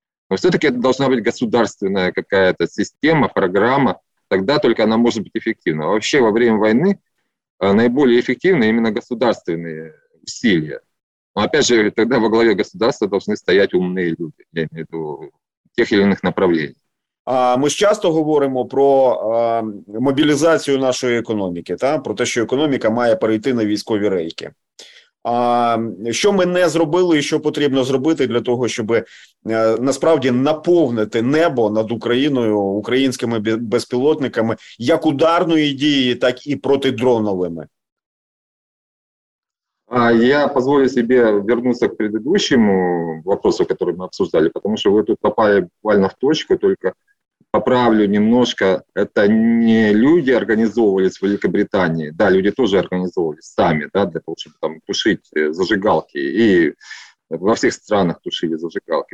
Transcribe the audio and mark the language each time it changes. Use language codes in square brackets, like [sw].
[ru] Но все-таки это должна быть государственная какая-то система, программа. Тогда только она может быть эффективна. Вообще во время войны наиболее эффективны именно государственные усилия. Но опять же, тогда во главе государства должны стоять умные люди, я имею в виду, тех или иных направлений. [uk] Ми ж часто говоримо про мобілізацію нашої економіки, та? Про те, що економіка має перейти на військові рейки. Що ми не зробили і що потрібно зробити для того, щоб насправді наповнити небо над Україною українськими безпілотниками, як ударної дії, так і протидроновими? [ru] Я позволю себе вернуться к предыдущему вопросу, который мы обсуждали, потому что вы тут попали буквально в точку, только поправлю немножко, это не люди организовывались в Великобритании, да, люди тоже организовывались сами, да, для того, чтобы там тушить зажигалки, и во всех странах тушили зажигалки.